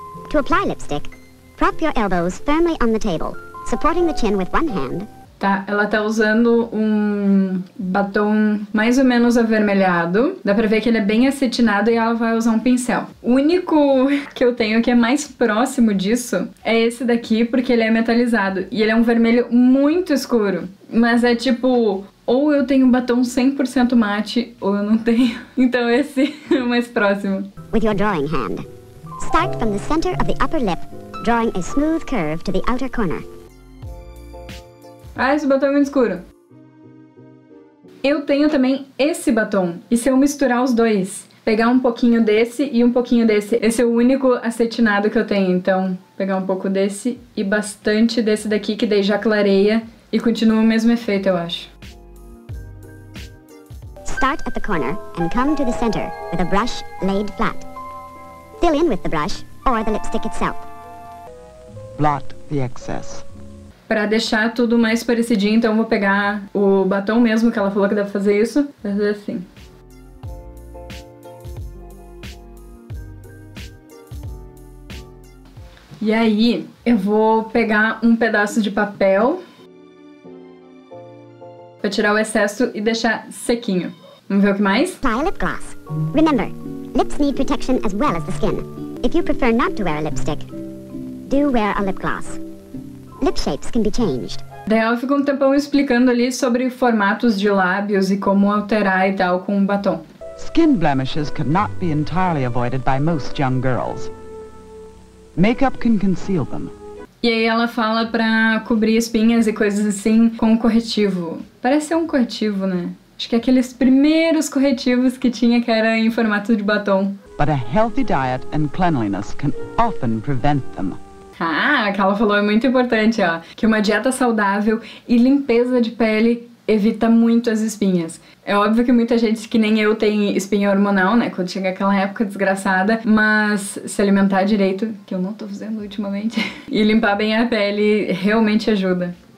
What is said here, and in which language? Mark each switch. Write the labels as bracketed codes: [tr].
[en] To apply lipstick, prop your elbows firmly on the table, supporting the chin with one hand. [pt] Tá, ela tá usando um batom mais ou menos avermelhado. Dá pra ver que ele é bem acetinado e ela vai usar um pincel. O único que eu tenho que é mais próximo disso é esse daqui, porque ele é metalizado. E ele é um vermelho muito escuro. Mas é tipo, ou eu tenho um batom 100% mate, ou eu não tenho. Então esse é o mais próximo. [en] With your drawing hand, start from the center of the upper lip, drawing a smooth curve to the outer corner. [pt] Ah, esse batom é muito escuro. Eu tenho também esse batom. E se eu misturar os dois? Pegar um pouquinho desse e um pouquinho desse. Esse é o único acetinado que eu tenho. Então, pegar um pouco desse e bastante desse daqui, que daí já clareia e continua o mesmo efeito, eu acho. [en] Start at the corner and come to the center with a brush laid flat. Fill in with the brush or the lipstick itself. Blot the excess. [pt] Pra deixar tudo mais parecidinho, então eu vou pegar o batom mesmo, que ela falou que deve fazer isso. Vai fazer assim. E aí, eu vou pegar um pedaço de papel pra tirar o excesso e deixar sequinho. Vamos ver o que mais? [en] Apply a lip gloss. Remember, lips need protection as well as the skin. If you prefer not to wear a lipstick, do wear a lip gloss. Lip shapes can be changed. [pt] Daí ela ficou um tempão explicando ali sobre formatos de lábios e como alterar e tal com um batom. [en] Skin blemishes cannot be entirely avoided by most young girls. Makeup can conceal them. [pt] E aí ela fala pra cobrir espinhas e coisas assim com um corretivo. Parece ser um corretivo, né? Acho que é aqueles primeiros corretivos que tinha que era em formato de batom. [en] But a healthy diet and cleanliness can often prevent them. [pt] Ah, o que ela falou é muito importante, ó. Que uma dieta saudável e limpeza de pele evita muito as espinhas. É óbvio que muita gente, que nem eu, tem espinha hormonal, né? Quando chega aquela época desgraçada. Mas se alimentar direito, que eu não tô fazendo ultimamente, e limpar bem a pele realmente ajuda.